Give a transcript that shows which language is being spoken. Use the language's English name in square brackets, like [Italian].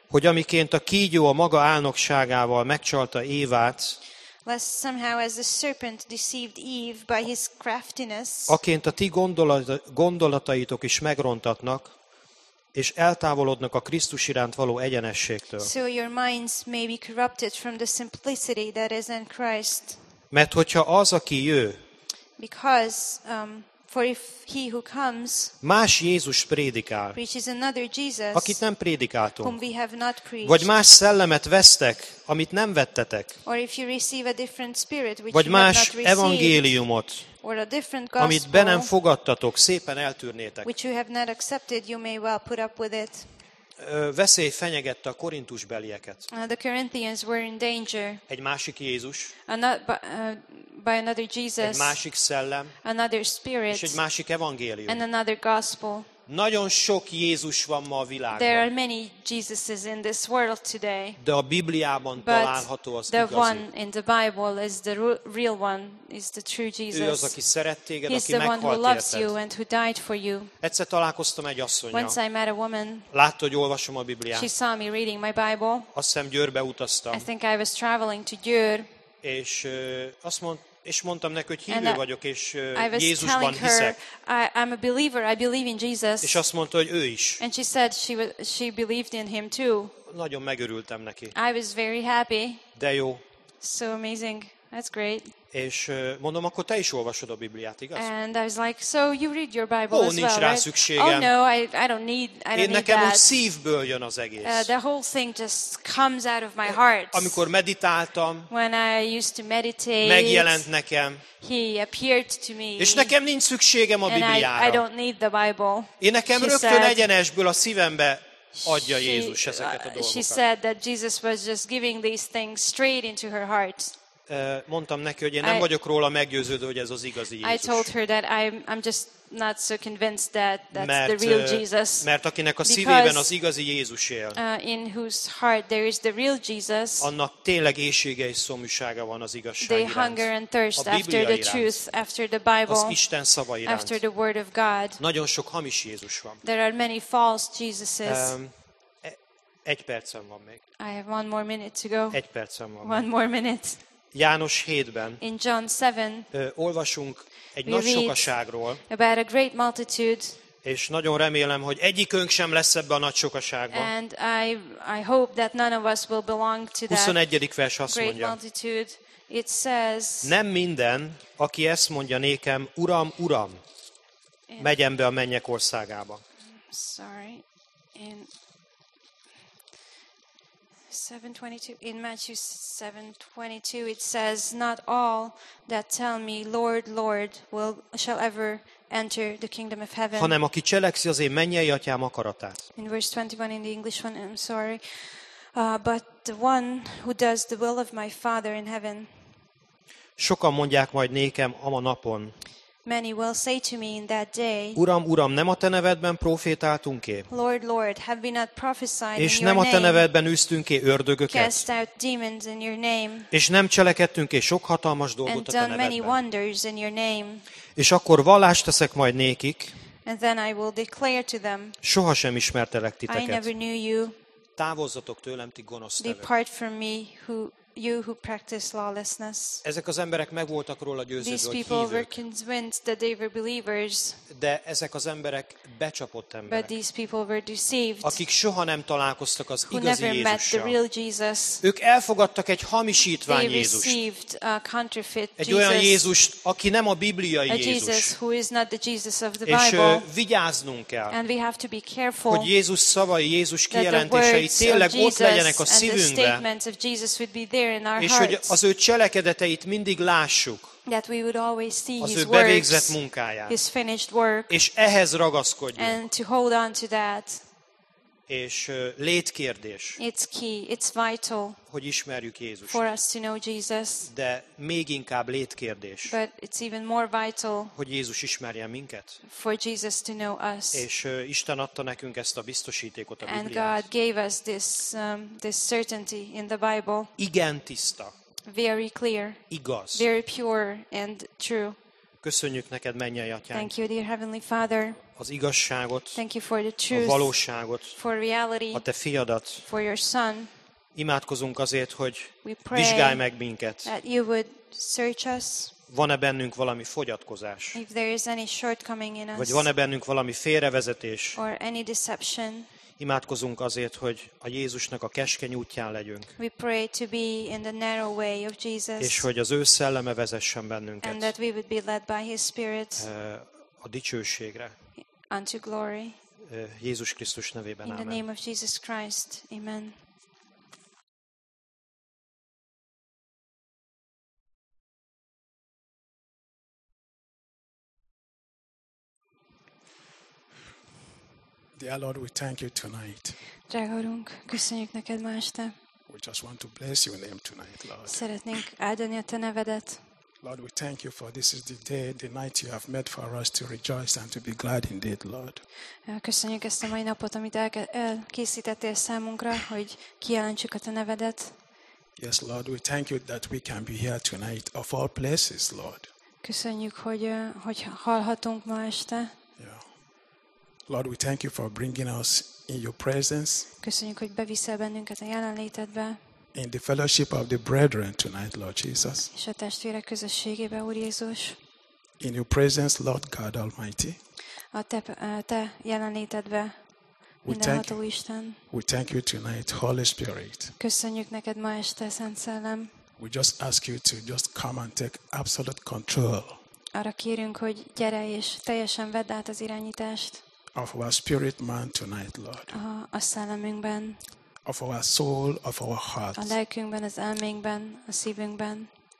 [Hungarian] hogy amiként a kígyó a maga álnokságával megcsalta Évát, [English] lest somehow as the serpent deceived Eve by his craftiness, [Hungarian] aként a ti gondolataitok is megrontatnak, és eltávolodnak a Krisztus iránt való egyenességtől. [English] So your minds may be corrupted from the simplicity that is in Christ. [Hungarian] Mert hogyha az, aki jő, [English] because, for if he who comes, [Hungarian] más Jézus prédikál, [English] preaches another Jesus, [Hungarian] akit nem prédikáltunk, [English] whom we have not preached, [Hungarian] vagy más szellemet vesztek, amit nem vettetek, [English] or if you receive a different spirit, which [Hungarian] vagy [English] you [Hungarian] más [English] have not received, [Hungarian] evangéliumot, [English] or a different gospel, [Hungarian] amit be nem fogadtatok, szépen eltűrnétek. [English] Which you have not accepted, you may well put up with it. [Hungarian] Veszély fenyegette a Korintus belieket. [English] The Corinthians were in danger. [Hungarian] Egy másik Jézus. [English] By another Jesus. [Hungarian] Egy másik szellem. [English] Another spirit. [Hungarian] És egy másik evangélium. [English] And another gospel. [Hungarian] Nagyon sok Jézus van ma a világban. [English] There are many Jesuses in this world today. [Hungarian] De a Bibliában [English] but [Hungarian] található az [English] the [Hungarian] igazi. [English] The one in the Bible is the real one, is the true Jesus. [Hungarian] Ő az, aki szeret téged, aki [English] the [Hungarian] meghalt [English] one who loves [Hungarian] érted. [English] You and who died for you. [Hungarian] Egyszer találkoztam egy asszonnyal. [English] Once I met a woman. [Hungarian] Látta, hogy olvasom a Bibliát. [English] She saw me reading my Bible. [Hungarian] Azt hiszem, Győrbe utaztam. [English] I think I was traveling to Győr. [Hungarian] És azt mondta, és mondtam neki, hogy hívő vagyok, és Jézusban hiszek. [English] I'm a believer, I believe in Jesus. [Hungarian] És azt mondta, hogy ő is. [English] And she said she believed in him too. [Hungarian] Nagyon megörültem neki. [English] I was very happy. [Hungarian] De jó. [English] So amazing. That's great. [Hungarian] És mondom, akkor te is olvasod a Bibliát, igaz? [English] And I was like, so you read your Bible as well, right? [Hungarian] Szükségem. [English] Oh no, I don't need, I don't [Hungarian] én nekem [English] need that. [Hungarian] Úgy szívből jön az egész. [English] The whole thing just comes out of my heart. [Hungarian] Amikor meditáltam, [English] when I used to meditate, [Hungarian] megjelent nekem. [English] He appeared to me. [Hungarian] És nekem nincs szükségem a Bibliára. [English] I don't need the Bible. [Hungarian] Én nekem rögtön egyenesből a szívembe adja Jézus ezeket a dolgokat. [English] She said that Jesus was just giving these things straight into her heart. [Hungarian] Mondtam neki, hogy én nem vagyok róla meggyőződő, hogy ez az igazi Jézus. [English] I told her that I'm just not so convinced that that's the real Jesus. [Hungarian] Mert akinek a szívében az igazi Jézus él. [English] In whose heart there is the real Jesus. [Hungarian] Annak tényleg éhsége és szomjúsága van az igazság iránt. [English] They hunger and thirst after the truth, after the Bible. [Hungarian] Az Isten szava iránt. [English] After the word of God. [Hungarian] Nagyon sok hamis Jézus van. [English] There are many false Jesuses. [Hungarian] Egy percem van még. [English] I have one more minute to go. [Hungarian] Egy percem van. [English] One more minute. [Hungarian] János 7-ben [English] in John 7, [Hungarian] olvasunk egy nagy sokaságról, [English] about a great multitude, [Hungarian] és nagyon remélem, hogy egyikünk sem lesz ebben a nagy sokaságban. [English] And I hope that none of us will belong to that [Hungarian] 21. vers azt [English] great [Hungarian] mondja, [English] multitude. It says, [Hungarian] nem minden, aki ezt mondja nékem, Uram, Uram, megyem be a mennyek országába. [English] Sorry, in 7:22 in Matthew 7:22 it says, not all that tell me Lord, Lord shall ever enter the kingdom of heaven. [Hungarian] Hanem aki cselekszi az én mennyei atyám akaratát. [English] In verse 21 in the English one, I'm sorry, but the one who does the will of my Father in heaven. [Hungarian] Sokan mondják majd nékem ama napon. [English] Many will say to me in that day, [Hungarian] Uram, Uram, nem a te nevedben profétáltunk-e? [English] Lord, Lord, have we not prophesied in your name? [Hungarian] És nem a te nevedben üztünk-e ördögöket? [English] Cast out demons in your name? [Hungarian] És nem cselekedtünk-e sok hatalmas dolgot a te nevedben? [English] And done many wonders in your name? [Hungarian] És akkor vallást teszek majd nékik. [English] And then I will declare to them, [Hungarian] sohasem ismertelek titeket. [English] I never knew you. [Hungarian] Távozzatok tőlem, ti gonosz tevők. [English] Depart from me, who you who practice lawlessness. [Hungarian] Ezek az emberek meg voltak róla győződve, [English] these people were convinced that they were believers. [Hungarian] De ezek az emberek becsapott emberek. [English] But these people were deceived. [Hungarian] Akik soha nem találkoztak az [English] who [Hungarian] igazi Jézussal. [English] Never met the real Jesus. [Hungarian] Ők elfogadtak egy hamisítvány [English] they [Hungarian] Jézust. [English] Received a counterfeit [Hungarian] egy Egy olyan Jézust, aki nem a bibliai a Jézus. [English] Jesus who is not the Jesus of the [Hungarian] és [English] Bible. [Hungarian] Vigyáznunk kell. [English] And we have to be careful. [Hungarian] Hogy Jézus szavai, Jézus kijelentései tényleg ott legyenek a szívünkbe. [English] The statements of Jesus would be there. [Hungarian] És hogy az ő cselekedeteit mindig lássuk, [English] that we would always see [Hungarian] az [English] his [Hungarian] ő bevégzett [English] works, [Hungarian] munkáját, [English] his finished work, [Hungarian] és ehhez ragaszkodjunk. [English] And to hold on to that. [Hungarian] És létkérdés, [English] it's key, it's vital, [Hungarian] hogy ismerjük Jézust, [English] for us to know Jesus, [Hungarian] de még inkább létkérdés, [English] but it's even more vital, [Hungarian] hogy Jézus ismerjen minket, [English] for Jesus to know us. [Hungarian] És Isten adta nekünk ezt a biztosítékot a Bibliát. [English] And God gave us this, this certainty in the Bible. [Hungarian] Igen tiszta. [English] Very clear. [Hungarian] Igaz. [English] Very pure and true. [Hungarian] Köszönjük neked, mennyei atyánk. [English] Thank you, dear Heavenly Father. [Hungarian] Az igazságot, [English] thank you for the truth, [Hungarian] a valóságot, [English] for reality, [Hungarian] a te fiadat, [English] for your son. [Hungarian] Imádkozunk azért, hogy vizsgálj meg minket. [English] That you would search us. [Hungarian] Van-e bennünk valami fogyatkozás? [English] If there is any shortcoming in us. [Hungarian] Vagy van-e bennünk valami félrevezetés? [English] Or any deception. [Hungarian] Imádkozunk azért, hogy a Jézusnak a keskeny útján legyünk. [English] We pray to be in the narrow way of Jesus. [Hungarian] És hogy az ő szelleme vezessen bennünket. [English] And that we would be led by his spirit. [Hungarian] A dicsőségre. [English] Unto glory. [Hungarian] Jézus Krisztus nevében. [English] In the amen. Name of Jesus Christ. Amen. Dear Lord, we thank you tonight. [Hungarian] Drága Urunk, köszönjük neked ma este. [English] We just want to bless your name tonight, Lord. [Hungarian] Szeretnénk áldani a te nevedet. [English] Lord, we thank you for this is the day, the night you have made for us to rejoice and to be glad indeed, Lord. [Hungarian] Köszönjük ezt a mai napot, amit elkészítettél számunkra, hogy kijelentsük a te nevedet. [English] Yes, Lord, we thank you that we can be here tonight of all places, Lord. [Hungarian] Köszönjük, hogy hallhatunk ma este. [English] Yeah. Lord, we thank you for bringing us in your presence. [Hungarian] Köszönjük, hogy beviszel bennünket a jelenlétedbe. [English] In the fellowship of the brethren tonight, Lord Jesus. [Hungarian] És a testvérek közösségében, Úr Jézus. [English] In your presence, Lord God Almighty. [Hungarian] A te jelenlétedbe, mindenható Isten. [English] We thank you tonight, Holy Spirit. [Hungarian] Köszönjük neked ma este, Szent Szellem. [English] We just ask you to just come and take absolute control. [Hungarian] Arra kérünk, hogy gyere és teljesen vedd át az irányítást. [English] Of our spirit man tonight, Lord. [Hungarian] A szellemünkben. [English] Of our soul, of our heart. [Hungarian] A lelkünkben, az elménkben, a szívünkben.